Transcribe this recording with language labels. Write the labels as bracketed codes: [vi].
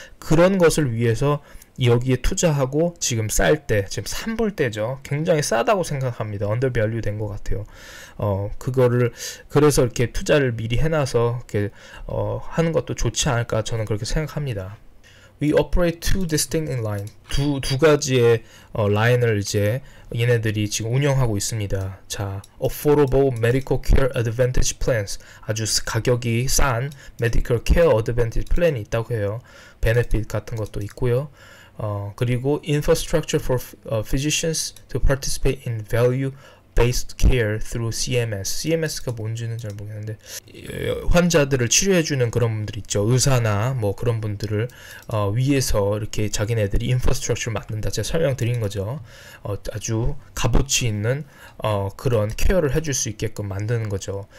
[ko] 그런 것을 위해서 여기에 투자하고 지금 쌀 때, 지금 산불 때죠. 굉장히 싸다고 생각합니다. 언더밸류 된것 같아요. 그거를 그래서 이렇게 투자를 미리 해놔서 이렇게 하는 것도 좋지 않을까 저는 그렇게 생각합니다. [en] We operate two distinct in line. [ko] 두 가지의 라인을 이제 얘네들이 지금 운영하고 있습니다. 자, [en] affordable medical care advantage plans. [ko] 아주 가격이 싼 [en] medical care advantage plan [ko] 이 있다고 해요. benefit 같은 것도 있고요. [en] 그리고 infrastructure for physicians to participate in value based care through CMS. [ko] CMS가 뭔지는 잘 모르겠는데 환자들을 치료해 주는 그런 분들 있죠. 의사나 뭐 그런 분들을 위해서 이렇게 자기네들이 인프라스트럭처를 만든다. 제가 설명드린 거죠. 아주 값어치 있는 그런 케어를 해줄 수 있게끔 만드는 거죠.